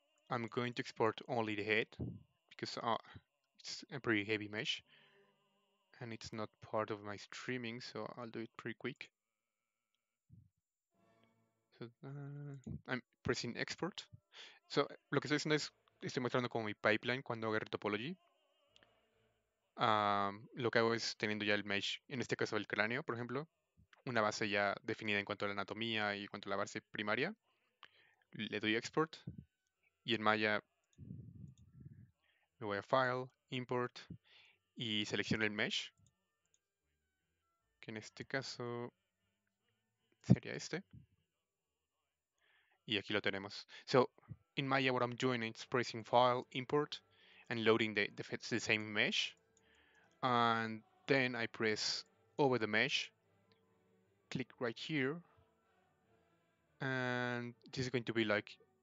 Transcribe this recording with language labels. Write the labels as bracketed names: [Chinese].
[English] I'm going to export only the head because it's a pretty heavy mesh and it's not part of my streaming, so I'll do it pretty quick. I'm pressing export. [Spanish] So, lo que estoy haciendo es estoy mostrando como mi pipeline cuando agarré topology. Lo que hago es teniendo ya el mesh, en este caso el cráneo, por ejemplo, una base ya definida en cuanto a la anatomía y en cuanto a la base primaria. Le doy export. Y en Maya me voy a File, Import y selecciono el mesh, que en este caso sería este. Y aquí lo tenemos. [English] So, in Maya, what I'm doing is pressing File, Import and loading the same mesh. And then I press over the mesh, click right here, and this is going to be like.